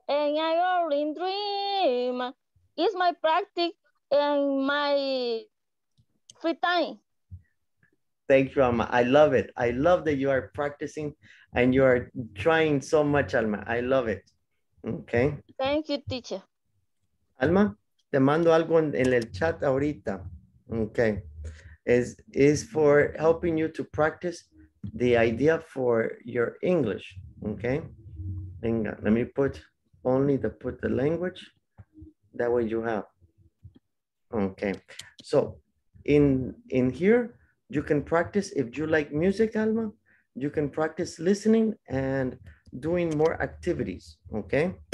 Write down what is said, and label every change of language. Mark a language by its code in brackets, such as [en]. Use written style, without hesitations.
[en] And I only dream. It's my practice and my free time. Thank you, Alma. I love it. I love that you are practicing and you are trying so much, Alma. I love it. Okay. Thank you, teacher. [es] Alma, te mando algo en el chat ahorita. [en] Okay. Is for helping you to practice the idea for your English, okay? Venga, let me put the language, that way you have. Okay, so in here, you can practice, if you like music, Alma, you can practice listening and doing more activities, okay?